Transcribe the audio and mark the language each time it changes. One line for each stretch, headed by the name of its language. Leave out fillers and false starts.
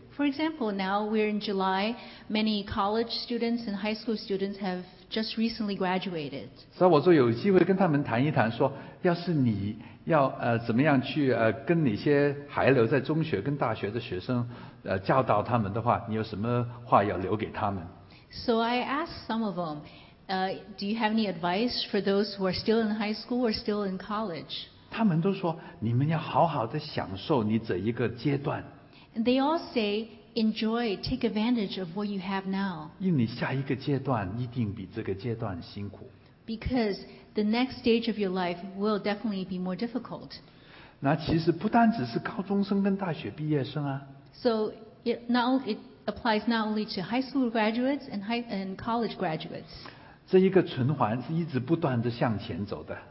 English: For example, now we're in July. Many college students and high school students have just recently graduated.
Chinese: 所以我说有机会跟他们谈一谈，说要是你要怎么样去跟那些还留在中学跟大学的学生教导他们的话，你有什么话要留给他们？
English: So I asked some of them, do you have any advice for those who are still in high school or still in college?
Chinese: 他们都说你们要好好的享受你这一个阶段。
English: They all say, enjoy, take advantage of what you have now.
Chinese: 因为你下一个阶段一定比这个阶段辛苦。
English: Because the next stage of your life will definitely be more difficult.
Chinese: 那其实不单只是高中生跟大学毕业生啊。
English: So it applies not only to high school graduates and college graduates.
Chinese: 这一个循环是一直不断地向前走的。